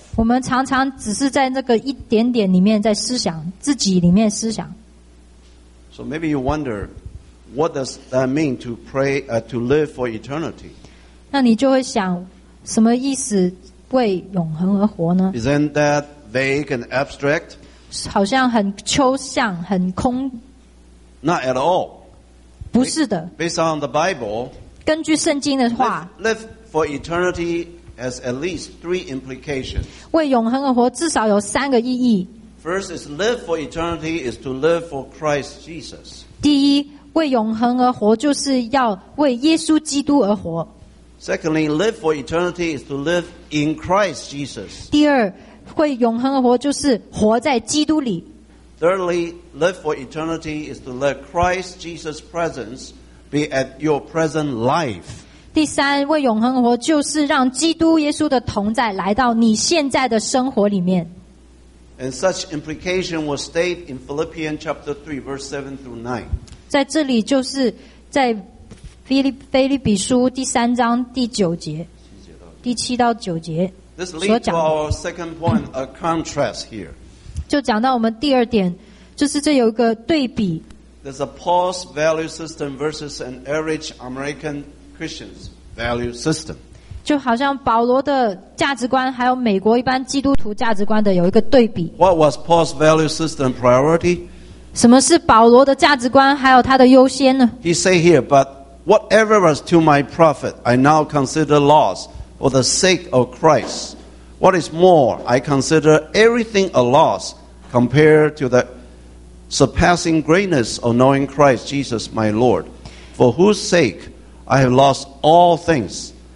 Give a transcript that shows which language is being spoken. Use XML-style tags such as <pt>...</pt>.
<zh>我们常常只是在那个一点点里面在思想自己里面思想。</zh> <en>So maybe you wonder. What does that mean to pray, to live for eternity?</en> <zh>那你就会想，什么意思为永恒而活呢？</zh> <en>Isn't that vague and abstract?</en> <zh>好像很抽象，很空。</zh> <en>Not at all.</en> <zh>不是的。</zh> <en>Based on the Bible,</en> <zh>根据圣经的话，</zh> <en>live for eternity has at least three implications.</en> <zh>为永恒而活至少有三个意义。</zh> <en>First is live for eternity is to live for Christ Jesus.</en> <zh>第一为永恒而活就是要为耶稣基督而活。</zh> <en>Secondly, live for eternity is to live in Christ Jesus.</en> <zh>第二为永恒而活就是活在基督里。</zh> <en>Thirdly, live for eternity is to let Christ Jesus' presence be at your present life.</en> <zh>第三为永恒而活就是让基督耶稣的同在来到你现在的生活里面。</zh> <en>And such implication was stated in Philippians chapter 3 verse 7 through 9.</en> <zh>在这里就是在腓立比书第三章第九节第七到九节所讲的。</zh> <en>This leads to our second point, a contrast here.</en> <zh>就讲到我们第二点，就是这有一个对比。</zh> <en>There's a Paul's value system versus an average American Christian's value system.</en> <zh>就好像保罗的价值观还有美国一般基督徒价值观的有一个对比。</zh> <en>What was Paul's value system priority?</en> <zh>什么是保罗的价值观还有他的优先呢</zh> <en>He say here, but whatever was to my profit, I now consider loss for the sake of Christ. What is more, I consider everything a loss compared to the surpassing greatness of knowing Christ Jesus my Lord, for whose sake I have lost all things.</en>